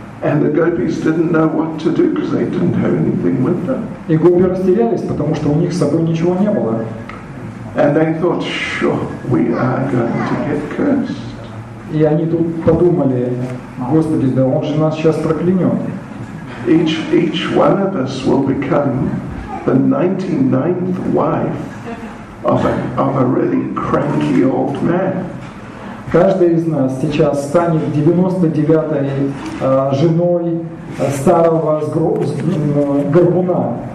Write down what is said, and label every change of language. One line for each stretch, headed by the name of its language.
English: And the gopis didn't know what to do because they didn't have anything with them.
Russian: И гопи растерялись, потому что у них с собой ничего не было.
English: And they thought, sure, we are going to get cursed.
Russian: И они тут подумали, Господи, да он же нас сейчас проклянет.
English: Each one of us will become the 99th wife of a really cranky old man.
Russian: Каждый из нас сейчас станет 99-й женой старого горбуна.